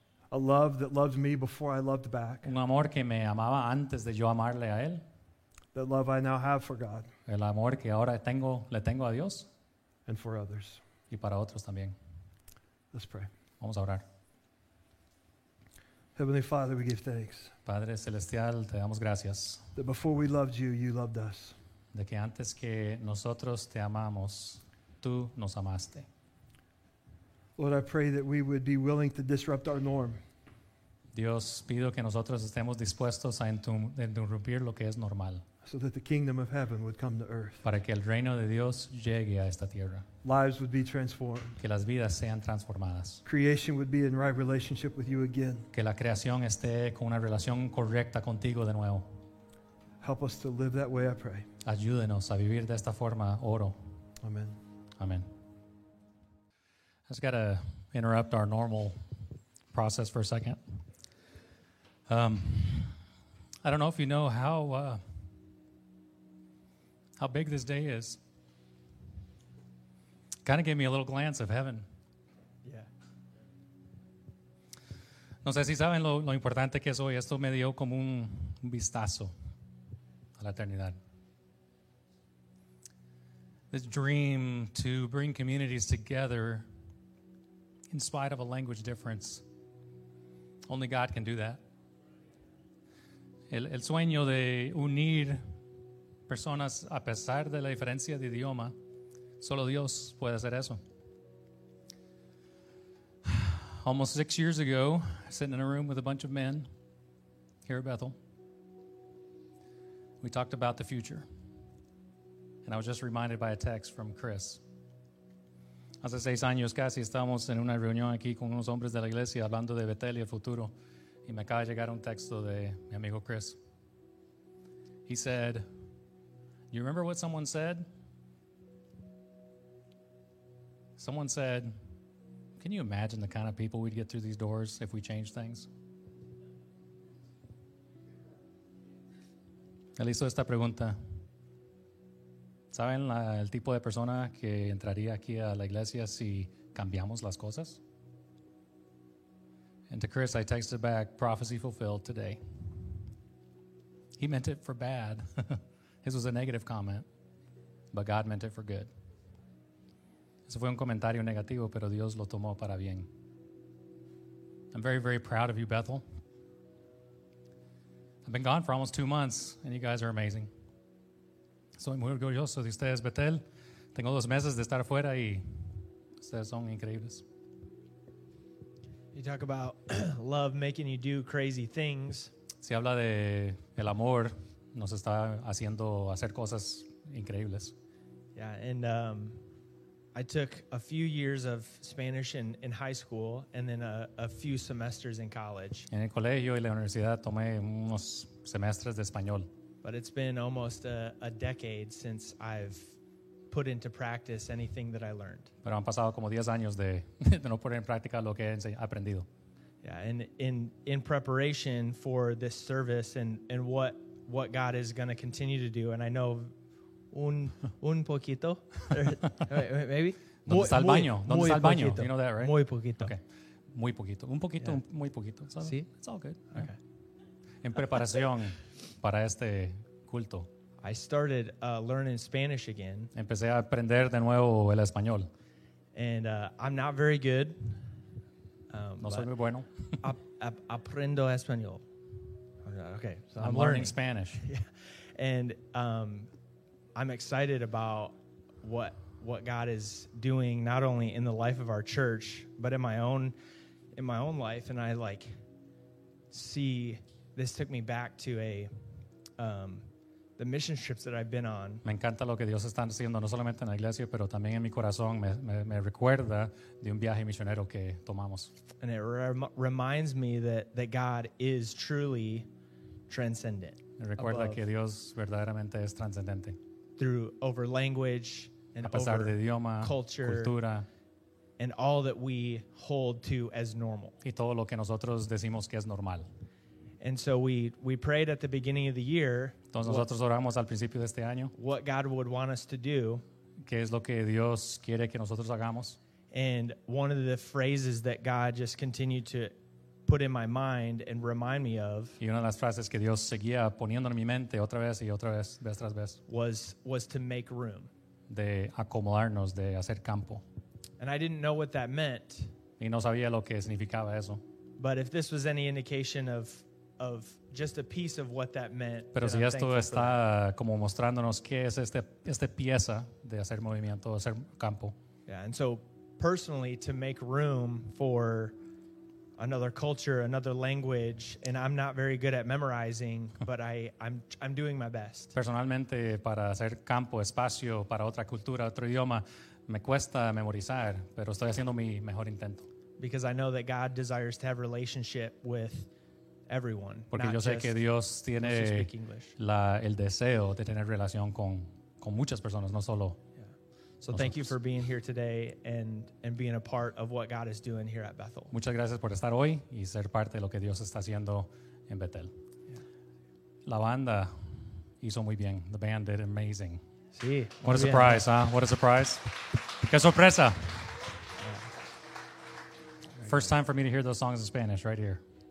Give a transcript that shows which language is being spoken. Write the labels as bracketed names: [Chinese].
[English] A love that loved me before I loved back. [Spanish] Un amor que me amaba antes de yo amarle a él. [English] The love I now have for God. [Spanish] El amor que ahora le tengo a Dios. [English] And for others. [Spanish] Y para otros también. [English] Let's pray. [Spanish] Vamos a orar. [English] Heavenly Father, we give thanks. [Spanish] Padre celestial, te damos gracias. [English] That before we loved you, you loved us. [Spanish] De que antes que nosotros te amamos, tú nos amaste. [English] Lord, I pray that we would be willing to disrupt our norm. [Spanish] Dios, pido que nosotros estemos dispuestos a interrumpir lo que es normal. [English] So that the kingdom of heaven would come to earth. [Spanish] Para que el reino de Dios llegue a esta tierra. [English] Lives would be transformed. [Spanish] Que las vidas sean transformadas. [English] Creation would be in right relationship with you again. [Spanish] Que la creación esté con una relación correcta contigo de nuevo. [English] Help us to live that way, I pray. [Spanish] Ayúdenos a vivir de esta forma, oro. [English] Amen. Amen. I just got to interrupt our normal process for a second. I don't know if you know how big this day is. Kind of gave me a little glance of heaven. Yeah. [Spanish] No sé si saben lo importante que es hoy. Esto me dio como un vistazo a la eternidad. [English] This dream to bring communities together in spite of a language difference. Only God can do that. [Spanish] El sueño de unir personas a pesar de la diferencia de idioma, solo Dios puede hacer eso. [English] Almost 6 years ago, sitting in a room with a bunch of men here at Bethel, we talked about the future. And I was just reminded by a text from Chris. [Spanish] Hace 6 años casi estábamos en una reunión aquí con unos hombres de la iglesia hablando de Betel y el futuro. Y me acaba de llegar un texto de mi amigo Chris. [English] He said, you remember what someone said? Someone said, can you imagine the kind of people we'd get through these doors if we changed things? [Spanish] Él hizo esta pregunta. ¿Saben el tipo de persona que entraría aquí a la iglesia si cambiamos las cosas? [English] And to Chris, I texted back, prophecy fulfilled today. He meant it for bad. His was a negative comment, but God meant it for good. [Spanish] Eso fue un comentario negativo, pero Dios lo tomó para bien. [English] I'm very, very proud of you, Bethel. I've been gone for almost 2 months, and you guys are amazing. [Spanish] Soy muy orgulloso de ustedes, Betel. Tengo 2 meses de estar afuera y ustedes son increíbles. [English] You talk about love making you do crazy things. [Spanish] Si habla de el amor, nos está haciendo hacer cosas increíbles. [English] Yeah, and I took a few years of Spanish in high school and then a few semesters in college. [Spanish] En el colegio y la universidad tomé unos semestres de español. [English] But it's been almost a decade since I've put into practice anything that I learned. [Spanish] Pero han pasado como 10 años de no poner en práctica lo que he aprendido. [English] Yeah, and in preparation for this service and what God is going to continue to do, and I know [Spanish] un poquito, [English] maybe. [Spanish] ¿Dónde está el baño? ¿Dónde está el baño? [English] You know that, right? [Spanish] Muy poquito. Okay. Muy poquito. Un poquito, yeah. Muy poquito. [English] So, sí. It's all good. Okay. Yeah. [Spanish] En preparación para este culto. [English] I started learning Spanish again. [Spanish] Empecé a aprender de nuevo el español. [English] And I'm not very good. [Spanish] No soy muy bueno. aprendo español. [English] Okay. So I'm learning Spanish. Yeah. And I'm excited about what God is doing, not only in the life of our church, but in my own life. And I like see, this took me back to the mission trips that I've been on. [Spanish] Me encanta lo que Dios está haciendo, no solamente en la iglesia, pero también en mi corazón. Me recuerda de un viaje misionero que tomamos. [English] And it reminds me that God is truly transcendent. [Spanish] Me recuerda que Dios verdaderamente es transcendente. [English] Through over language and [Spanish] a pesar [English] over [Spanish] de idioma, [English] culture, [Spanish] cultura, [English] and all that we hold to as normal. [Spanish] Y todo lo que nosotros decimos que es normal. [English] And so we prayed at the beginning of the year. [Spanish] Entonces nosotros oramos al principio de este año. [English] What God would want us to do. [Spanish] ¿Qué es lo que Dios quiere que nosotros hagamos? [English] And one of the phrases that God just continued to put in my mind and remind me of. [Spanish] Y una de las frases que Dios seguía poniendo en mi mente otra vez y otra vez, vez tras vez. [English] Was to make room. [Spanish] De acomodarnos, de hacer campo. [English] And I didn't know what that meant. [Spanish] Y no sabía lo que significaba eso. [English] But if this was any indication of just a piece of what that meant. [Spanish] Pero si esto está como mostrándonos qué es este pieza de hacer movimiento, hacer campo. [English] Yeah, and so personally to make room for another culture, another language, and I'm not very good at memorizing, but I'm doing my best. [Spanish] Personalmente para hacer campo, espacio para otra cultura, otro idioma, me cuesta memorizar, pero estoy haciendo mi mejor intento. [English] Because I know that God desires to have relationship with everyone. [Spanish] Porque yo sé que Dios tiene el deseo de tener relación con muchas personas, no solo. [English] So thank you for being here today and being a part of what God is doing here at Bethel. [Spanish] Muchas gracias por estar hoy y ser parte de lo que Dios está haciendo en Bethel. Yeah. La banda hizo muy bien. [English] The band did amazing. [Spanish] Sí. [English] What a surprise, huh? What a surprise. [Spanish] Qué sorpresa. [English] Yeah. First time for me to hear those songs in Spanish right here.